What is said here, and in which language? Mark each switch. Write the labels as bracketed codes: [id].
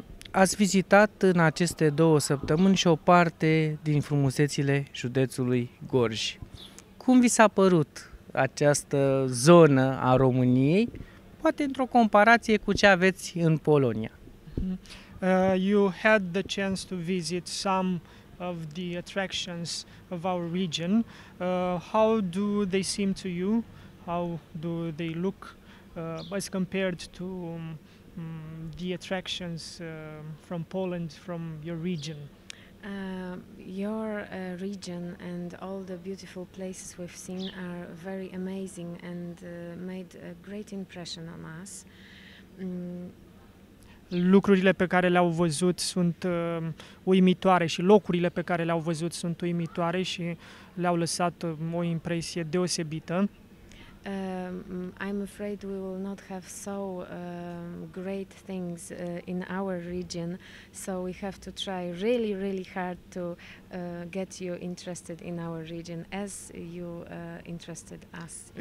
[ro] Ați vizitat în aceste două săptămâni și o parte din frumusețile județului Gorj. Cum vi s-a părut această zonă a României, poate într-o comparație cu ce aveți în Polonia? [en] You had the chance to visit some of the attractions of our region. How do they seem to you? How do they look as compared to the attractions from Poland, from your region? Your region and all the beautiful places we've seen are very amazing and made a great impression on us. [ro] Lucrurile pe care le-au văzut sunt uimitoare și locurile pe care le-au văzut sunt uimitoare și le-au lăsat o impresie deosebită. [en] I'm afraid we will not have so great things in our region, so we have to try really, really hard to get you interested in our region as you interested us.